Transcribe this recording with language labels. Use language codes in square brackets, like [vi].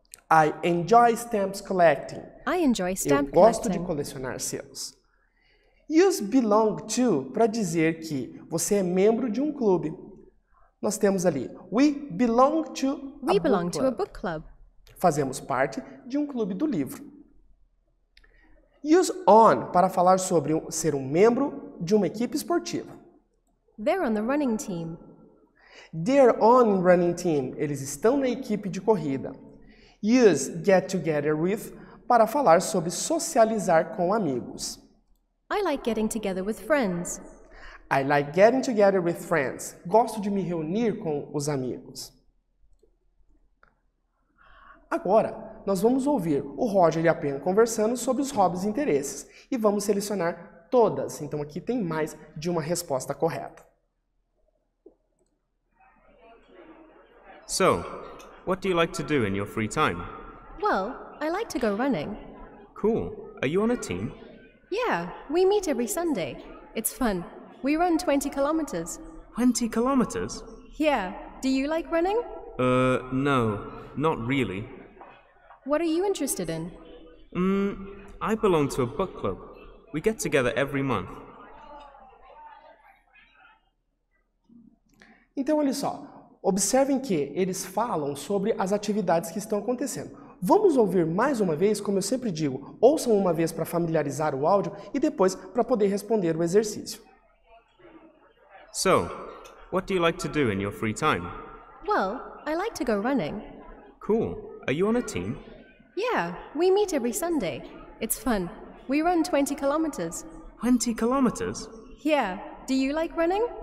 [en] I enjoy stamps collecting. I enjoy stamp collecting. [pt] Eu gosto de colecionar selos. Use belong to para dizer que você é membro de um clube. Nós temos ali, [en] we belong to a book club. [pt] Fazemos parte de um clube do livro. Use on para falar sobre ser um membro de uma equipe esportiva. [en] They're on the running team. They're on running team. [pt] Eles estão na equipe de corrida. Use get together with para falar sobre socializar com amigos. [en] I like getting together with friends. I like getting together with friends. [pt] Gosto de me reunir com os amigos. Agora, nós vamos ouvir o Roger e a Pen conversando sobre os hobbies e interesses. E vamos selecionar todas. Então, aqui tem mais de uma resposta correta. [en] So, what do you like to do in your free time? Well, I like to go running. Cool. Are you on a team? Yeah, we meet every Sunday. It's fun. We run 20 kilometers. 20 kilometers? Yeah. Do you like running? No. Not really. What are you interested in? I belong to a book club. We get together every month. [pt] Então, olha só. Observem que eles falam sobre as atividades que estão acontecendo. Vamos ouvir mais uma vez, como eu sempre digo, ouçam uma vez para familiarizar o áudio e depois para poder responder o exercício. [en] So, what do you like to do in your free time? Well, I like to go running. Cool. Are you on a team? Yeah, we meet every Sunday. It's fun. We run 20 kilometers. 20 kilometers? Yeah. Do you like running?